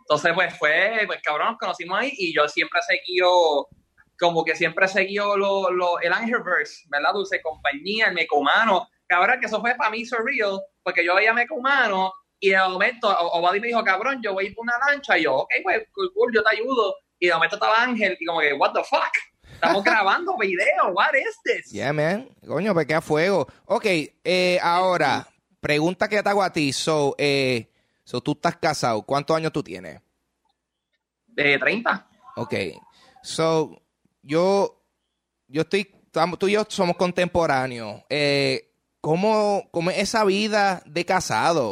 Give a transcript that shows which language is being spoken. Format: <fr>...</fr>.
<es>Entonces, pues fue, pues cabrón, nos conocimos ahí y yo siempre he seguido, como que siempre he seguido el Angelverse, ¿verdad? Dulce Compañía, el Mecumano. Cabrón, que eso fue para mí surreal, porque yo veía Mecumano y de momento Obadi me dijo, cabrón, yo voy a ir por una lancha. Y yo, ok, pues, cool, yo te ayudo. Y de momento estaba Ángel y como que,</es> <en>what the fuck?</en> <es>Estamos grabando video,</es> <en>what is this? Yeah, man.</en> <es>Coño, me queda fuego. Ok, ahora, pregunta que te hago a ti. So, tú estás casado. ¿Cuántos años tú tienes? De 30. Ok. So, yo estoy... Tú y yo somos contemporáneos. ¿Cómo es esa vida de casado?</es>